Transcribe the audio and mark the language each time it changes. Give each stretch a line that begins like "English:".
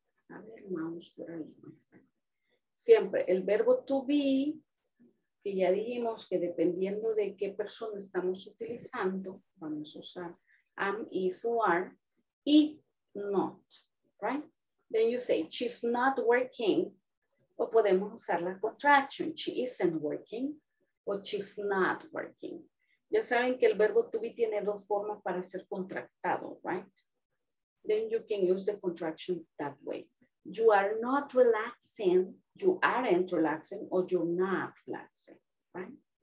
Spanish: A ver, mouse, por ahí. Siempre. El verbo to be, que ya dijimos que dependiendo de qué persona estamos utilizando, vamos a usar am, is, o are, y not, right?
English: Then you say, she's not working,
Spanish: o podemos usar la
English: contraction, she isn't working, o she's not working.
Spanish: Ya saben que el verbo to be tiene dos formas para ser contractado, right?
English: Then you can use the contraction that way. You are not relaxing, you aren't relaxing, or you're not relaxing, right?